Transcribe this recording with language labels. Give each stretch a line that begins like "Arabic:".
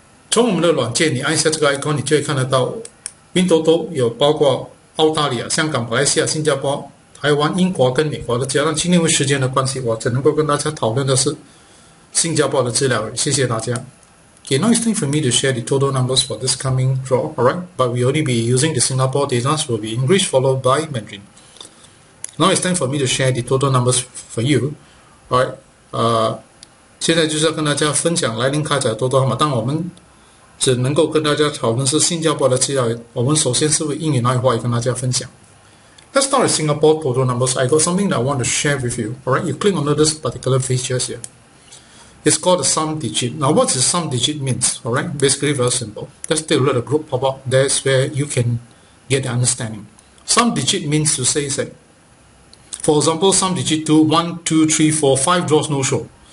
Chinese: 从我们的软件你按下这个 icon， 你就会看得到 WinToto 有包括澳大利亚、香港、马来西亚、新加坡、台湾、英国跟美国的资料。今天为时间的关系，我只能够跟大家讨论的是新加坡的资料，谢谢大家。
English: Okay, now it's time for me to share the total numbers for this coming draw, alright? But we only be using the Singapore data, so will be English followed by Mandarin. Now it's time for me to share the total numbers for you, alright?
Chinese: 现在就是要跟大家分享来临开采的 total 号码，但我们只能够跟大家讨论是新加坡的资料，我们首先是会英语那一话跟大家分享。
English: Let's start with Singapore total numbers. I got something that I want to share with you. Alright, you click on this particular features here. It's called a sum digit. Now what is sum digit means? Alright, basically very simple. Let's take a look at a group pop up. That's where you can get the understanding. Sum digit means to say that, for example, sum digit 2, 1, 2, 3, 4, 5 draws no show.